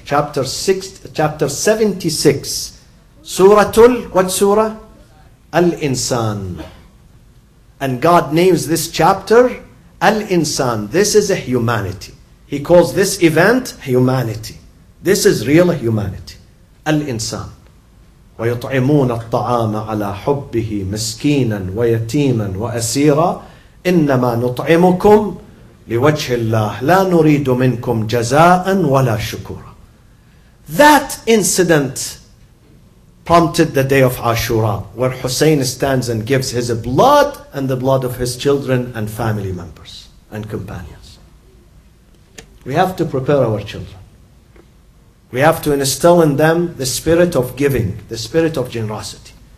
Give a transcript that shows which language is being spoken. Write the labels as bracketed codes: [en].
[en] Chapter 76. Suratul, what surah? Al-Insan. And God names this chapter Al-Insan. This is a humanity. He calls this event humanity. This is real humanity. Al-Insan. [ar] وَيُطْعِمُونَ الطَّعَامَ عَلَىٰ حُبِّهِ مِسْكِينًا وَيَتِيمًا وَأَسِيرًا إنما نطعمكم لوجه الله لا نريد منكم جزاء ولا شكورا. [en] That incident prompted the day of Ashura, where Hussein stands and gives his blood and the blood of his children and family members and companions. We have to prepare our children. We have to instill in them the spirit of giving, the spirit of generosity.